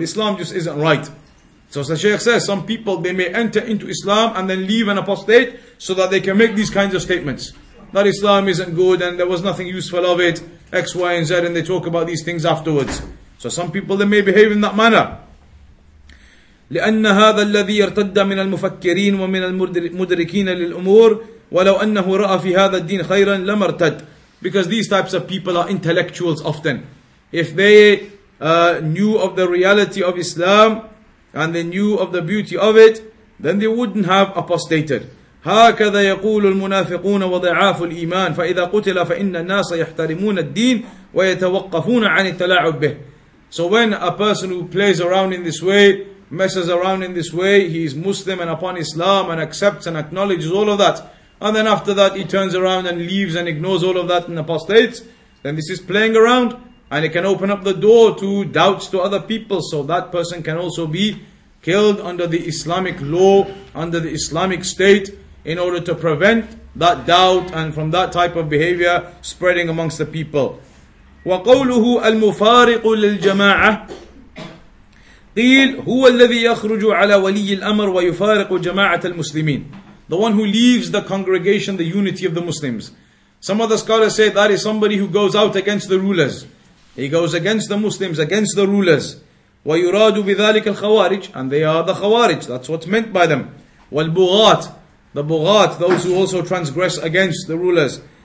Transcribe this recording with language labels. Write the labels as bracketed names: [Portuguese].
[English] Islam just isn't right. So the Shaykh says, some people, they may enter into Islam and then leave and apostate so that they can make these kinds of statements. That Islam isn't good and there was nothing useful of it, X, Y, and Z, and they talk about these things afterwards. So some people, they may behave in that manner. [Arabic] لِأَنَّ هَذَا الَّذِي يَرْتَدَّ مِنَ الْمُفَكِّرِينَ وَمِنَ الْمُدْرِكِينَ لِلْأُمُورِ وَلَوْ أَنَّهُ رَأَ فِي هَذَا الدِّينِ خَيْرًا لَمَ ارْتَدْ, [English] because these types of people are intellectuals often. If they knew of the reality of Islam and they knew of the beauty of it, then they wouldn't have apostated. [Arabic] هكذا يقول المنافقون وضعاف الإيمان فإذا قتل فإن الناس يحترمون الدين ويتوقفون عن التلاعب به. [English] So when a person who plays around in this way, messes around in this way, he is Muslim and upon Islam and accepts and acknowledges all of that, and then after that he turns around and leaves and ignores all of that and apostates, then this is playing around, and it can open up the door to doubts to other people. So that person can also be killed under the Islamic law, under the Islamic state, in order to prevent that doubt and from that type of behavior spreading amongst the people. [Arabic] وقوله المفارق للجماعة قيل هو الذي يخرج على ولي الأمر ويفارق جماعة المسلمين. [English] The one who leaves the congregation, the unity of the Muslims. Some of the scholars say that is somebody who goes out against the rulers. He goes against the Muslims, against the rulers. [Arabic] ويراد بذلك الخوارج, [English] and they are the خوارج. That's what's meant by them. والبغاة, the بغاة, those who also transgress against the rulers.